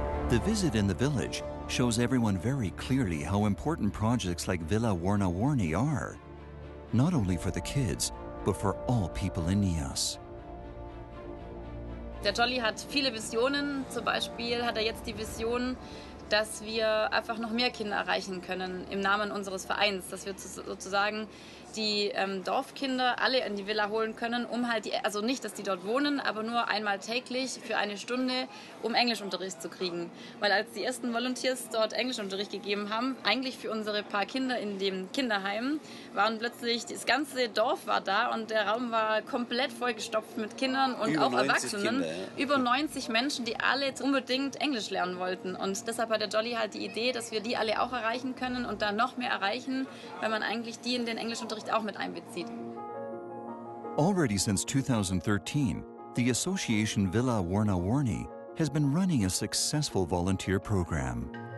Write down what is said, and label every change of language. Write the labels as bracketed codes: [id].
[en] The visit in the village shows everyone very clearly how important projects like Villa Warna Warni are, not only for the kids, but for all people in Nias. [de] Der Jolly hat viele Visionen. Zum Beispiel hat jetzt die Vision, dass wir einfach noch mehr Kinder erreichen können im Namen unseres Vereins, dass wir sozusagen die Dorfkinder alle in die Villa holen können, um halt die, also nicht, dass die dort wohnen, aber nur einmal täglich für eine Stunde, um Englischunterricht zu kriegen. Weil als die ersten Volunteers dort Englischunterricht gegeben haben, eigentlich für unsere paar Kinder in dem Kinderheim, waren plötzlich, das ganze Dorf war da und der Raum war komplett vollgestopft mit Kindern und auch Erwachsenen. Kinder, ja. Über 90 Menschen, die alle unbedingt Englisch lernen wollten. Und deshalb hat der Jolly halt die Idee, dass wir die alle auch erreichen können und da noch mehr erreichen, weil man eigentlich die in den Englischunterricht auch mit einbezieht. [en] Already since 2013, the association Villa Warna Warni has been running a successful volunteer program.